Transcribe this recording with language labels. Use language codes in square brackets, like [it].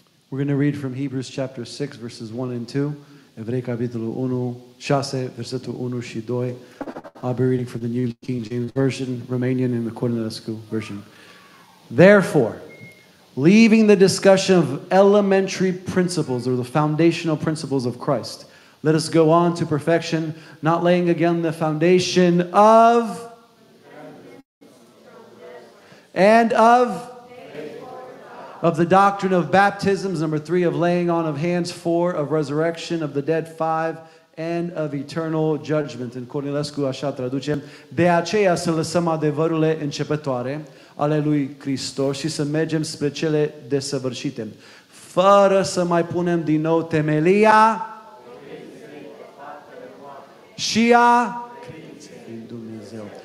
[en] We're going to read from Hebrews chapter 6, verses 1 and 2. [ro] Evrei capitolul 1, 6, versetul 1 și 2. [en] I'll be reading from the New King James Version, Romanian, in the Cornelescu Version. Therefore, leaving the discussion of elementary principles or the foundational principles of Christ, let us go on to perfection, not laying again the foundation of and of the doctrine of baptisms, number 3, of laying on of hands, 4, of resurrection of the dead, 5, and of eternal judgment. [ro] In Cornelescu așa traduce, de aceea să lăsăm adevărurile începătoare ale lui Hristos și să mergem spre cele desăvârșite, fără să mai punem din nou temelia și a în Dumnezeu.